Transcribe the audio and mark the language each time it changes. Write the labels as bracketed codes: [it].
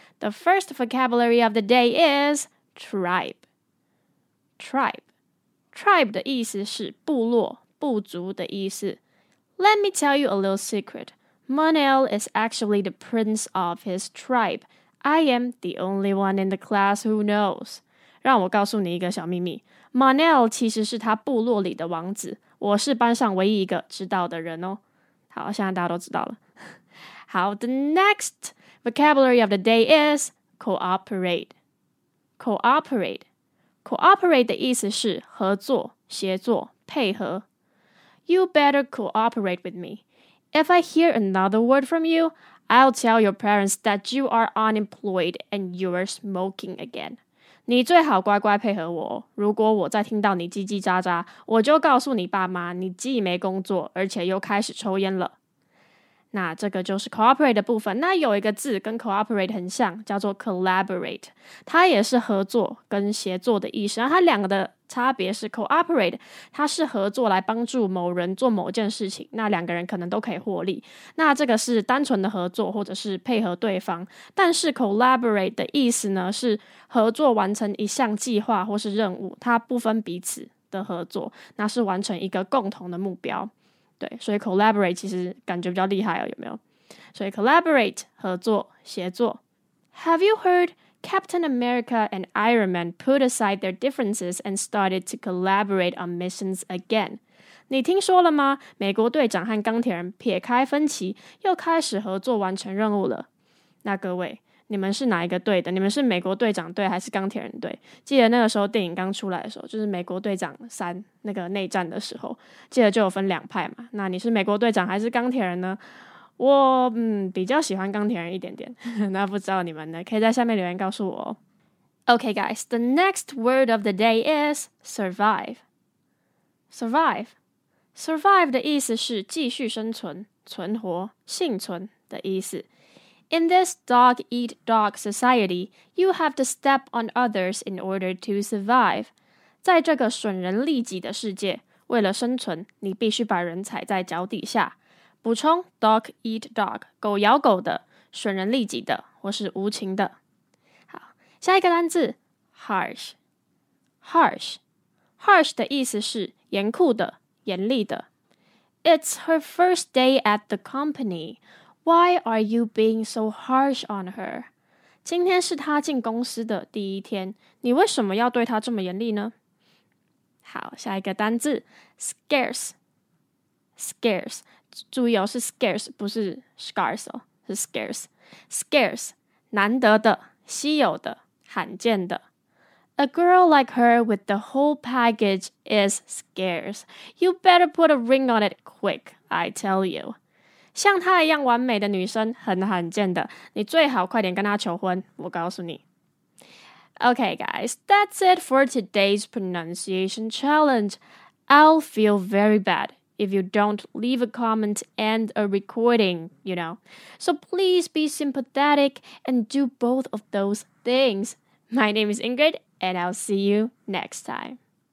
[en] The first vocabulary of the day is tribe. [zh] Tribe. Tribe 的意思是部落部族的意思。 [en] Let me tell you a little secret. Manel is actually the prince of his tribe. I am the only one in the class who knows. [zh] 让我告诉你一个小秘密。Manel 其实是他部落里的王子，我是班上唯一一个知道的人哦。好，现在大家都知道了。 [en] 好， the next vocabulary of the day is cooperate. [zh] Cooperate. Cooperate 的意思是合作、协作、配合。 [en] You better cooperate with me. If I hear another word from you, I'll tell your parents that you are unemployed and you are smoking again. [zh] 你最好乖乖配合我。如果我再听到你叽叽喳喳，我就告诉你爸妈，你既没工作，而且又开始抽烟了。那这个就是 cooperate 的部分。那有一个字跟 cooperate 很像，叫做 collaborate。它也是合作跟协作的意思。它两个的差别是 cooperate 它是合作来帮助某人做某件事情，那两个人可能都可以获利，那这个是单纯的合作或者是配合对方。但是 collaborate 的意思呢是合作完成一项计划或是任务，它不分彼此的合作，那是完成一个共同的目标。对，所以 collaborate 其实感觉比较厉害哦，有没有？所以 collaborate 合作协作。 [en] Have you heard Captain America and Iron Man put aside their differences and started to collaborate on missions again. [zh] 你听说了吗？美国队长和钢铁人撇开分歧，又开始合作完成任务了。那各位，你们是哪一个队的，你们是美国队长队还是钢铁人队。记得那个时候电影刚出来的时候，就是美国队长三那个内战的时候，记得就有分两派嘛，那你是美国队长还是钢铁人呢？我比较喜欢钢铁人一点点。那不知道你们呢，可以在下面留言告诉我哦。 [en] Okay guys, the next word of the day is survive. [zh] Survive. Survive 的意思是继续生存、存活、幸存的意思。 [en] In this dog-eat-dog society, you have to step on others in order to survive. [zh] 在这个损人利己的世界，为了生存，你必须把人踩在脚底下。补充 dog-eat-dog, 狗咬狗的，损人利己的，或是无情的。好，下一个单字 harsh. [en] Harsh. [zh] Harsh 的意思是严酷的、严厉的。 [en] It's her first day at the company. Why are you being so harsh on her? [zh] 今天是她进公司的第一天，你为什么要对她这么严厉呢？好，下一个单字 scarce. [en] Scarce. [zh] 注意哦，是 scarce, 不是 scarce 哦，是 scarce. Scarce. 难得的、稀有的、罕见的。 [en] A girl like her with the whole package is scarce. You better put a ring on it quick, I tell you. [zh] 像她一样完美的女生很罕见的，你最好快点跟她求婚，我告诉你。 [en] Okay guys, that's it for today's pronunciation challenge. I'll feel very bad if you don't leave a comment and a recording, you know. So please be sympathetic and do both of those things. My name is Ingrid, and I'll see you next time.